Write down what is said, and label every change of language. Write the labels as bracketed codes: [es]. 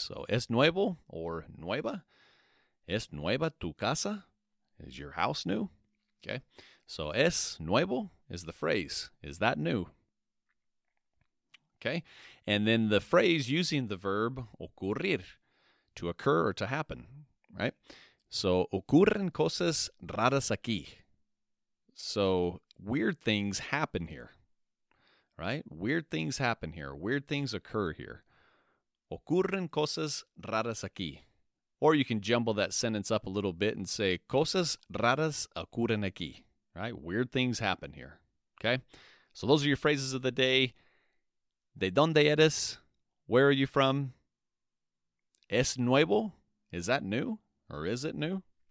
[es] So, es nuevo or nueva? Es nueva tu casa? [en] Is your house new? Okay, so [es] es nuevo [en] is the phrase. Is that new? Okay, and then the phrase using the verb ocurrir. To occur or to happen, right? [es] So, ocurren cosas raras aquí. [en] So, weird things happen here, right? Weird things happen here. Weird things occur here. [es] Ocurren cosas raras aquí. [en] Or you can jumble that sentence up a little bit and say, [es] cosas raras ocurren aquí, [en] right? Weird things happen here, okay? So, those are your phrases of the day. [es] De donde eres? [en] Where are you from? [es] Es nuevo? [en] Is that new? Or is it new?